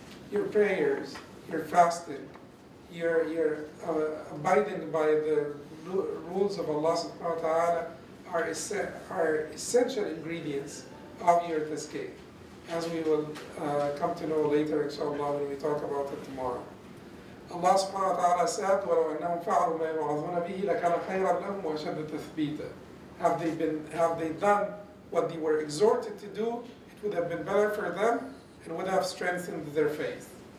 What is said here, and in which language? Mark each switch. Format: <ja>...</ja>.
<en>Your prayers, your fasting, your abiding by the rules of Allah subhanahu wa ta'ala are essential ingredients of your tazkiyah, as we will come to know later, inshallah, when we talk about it tomorrow.</en> <ar>Allah subhanahu wa ta'ala said, وَلَوْ أَنَّهُمْ فَعَلُوا مَا يُوعَظُونَ بِهِ لَكَانَ خَيْرًا لَهُمْ وَأَشَدَّ تَثْبِيتًا.</ar> <en>Have they done what they were exhorted to do, it would have been better for them, and would have strengthened their faith.</en>